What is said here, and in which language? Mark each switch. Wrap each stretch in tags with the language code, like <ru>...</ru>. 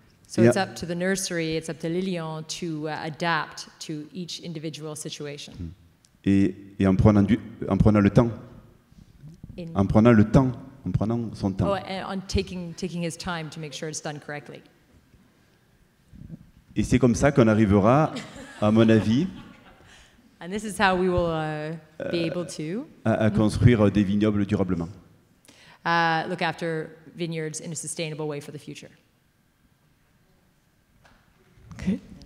<en>So it's up to the nursery, it's up to Lilian to adapt to each individual situation.</en> <fr>Et en prenant son temps.</fr> <en>Oh, and on taking his time to make sure it's done correctly.</en> <fr>Et c'est comme ça qu'on arrivera, à mon avis,</fr> <en>and this is how we will be able to</en> <fr>à construire des vignobles durablement.</fr> <en>Look after vineyards in a sustainable way for the future. Okay.</en>